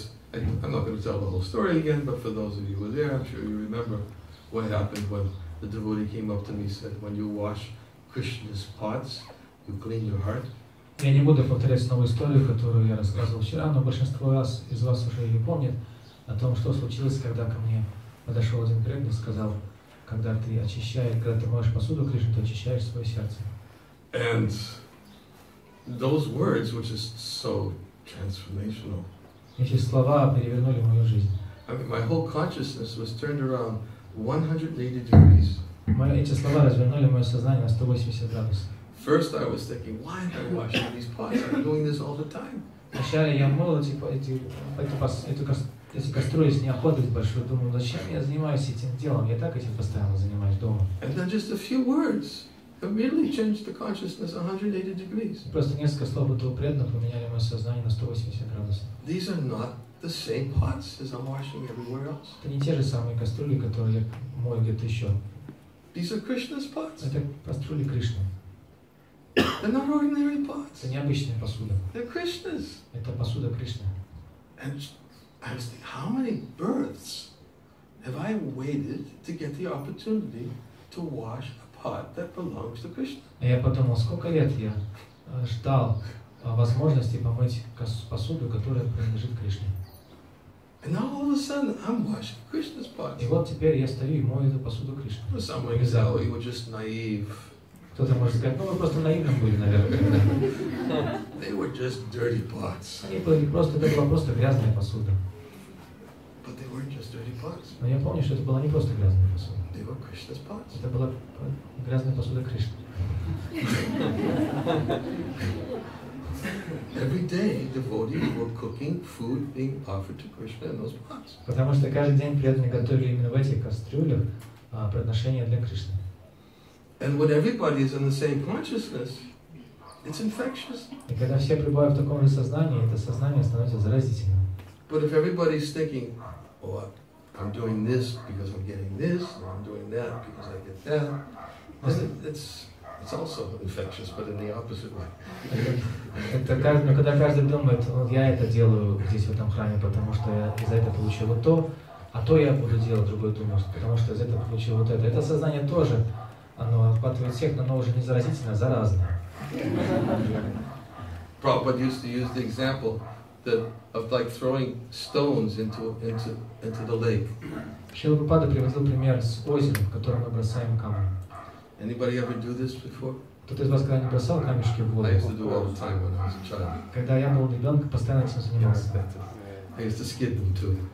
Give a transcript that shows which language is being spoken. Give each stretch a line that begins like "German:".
English: I'm not going to tell the whole story again, but for those of you who were there, I'm sure you remember what happened when the devotee came up to me and said, when you wash Krishna's pots, you clean your heart.
Russian: Я не буду повторять снова историю, которую я рассказывал вчера, но большинство из вас уже ее помнят о том, что случилось, когда ко мне подошел один преданный и сказал, когда ты моешь посуду Кришне, ты очищаешь свое сердце.
English: And those words were just so transformational.
Russian: Эти слова перевернули мою жизнь.
English: I mean, my whole consciousness was turned around 180 degrees.
Russian: Эти слова развернули мое сознание на 180 градусов.
English: First, I was thinking, why am I washing these pots? I'm doing this all the time.
Russian: Вначале я мыл эти кастрюли с неохотой большой, думаю, зачем я занимаюсь этим делом? Я так этим постоянно занимаюсь дома.
English: And then just a few words immediately changed the consciousness 180 degrees.
Russian: Просто несколько слов этого преданного поменяли мое сознание на 180 градусов.
English: These are not the same pots as I'm washing everywhere else.
Russian: Это не те же самые кастрюли, которые я мою где-то еще.
English: These are Krishna's pots.
Russian: Это кастрюли Кришны.
English: They're not ordinary pots.
Russian: Это необычная посуда.
English: They're Krishna's.
Russian: Это посуда Кришны.
English: And I was thinking, how many births have I waited to get the opportunity to wash a pot that belongs to Krishna?
Russian: Я подумал, сколько лет я ждал возможности помыть посуду, которая принадлежит Кришне.
English: And now all of a sudden I'm washing Krishna's pots.
Russian: И вот теперь я стою и мою эту посуду Кришны.
English: For some reason, you were just naive.
Russian: Кто-то может сказать, мы просто наивным были, наверное.
English: They were just dirty pots.
Russian: Это была просто грязная посуда.
English: But they weren't just dirty pots.
Russian: Но я помню, что это была не просто грязная посуда.
English: They were Krishna's pots.
Russian: Это была грязная посуда Кришны.
English: Every day devotees were cooking food being offered to Krishna in those pots.
Russian: Потому что каждый день преданные готовили именно в этих кастрюлях приношения для Кришны.
English: And when everybody is in the same consciousness, it's infectious.
Russian: И когда все пребывают в таком же сознании, это сознание становится заразительным.
English: But if everybody's thinking, oh, I'm doing this because I'm getting this, or I'm doing that because I get that, it's also infectious, but in the opposite way.
Russian: Но когда каждый думает, я это делаю здесь в этом храме, потому что я за это получил вот то, а то я буду делать другое думать, потому что за это получил вот это. Это сознание тоже. Оно охватывает всех, но оно уже не заразительно, а заразное.
English: Prabhupada used to use the example of like throwing stones into the lake.
Russian: Шрила Прабхупада приводил пример с озером, в котором мы бросаем камни.
English: Anybody ever do this before?
Russian: Кто-то из вас когда не бросал камешки в воду?
English: I used to do all the time when I was a child.
Russian: Когда я был ребенком, постоянно этим занимался.
English: Yes, I used to skid them too.